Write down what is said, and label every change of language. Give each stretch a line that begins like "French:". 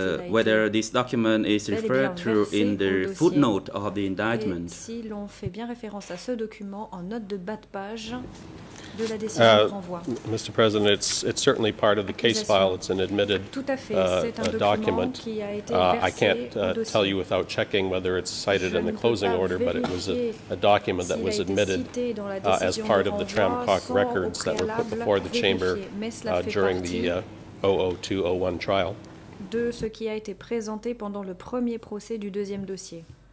English: Whether this document is referred to in the footnote of the indictment.
French: Si l'on fait bien référence à ce document en note de bas de page de la décision de renvoi. Mr.
English: President, it's certainly part of the case file. It's an admitted document. I can't tell you without checking whether it's cited in the closing order, but it was a document that was admitted as part of the Tramcock records that were put before the chamber during the 00201 trial.
French: De ce qui a été présenté pendant le premier procès du deuxième dossier.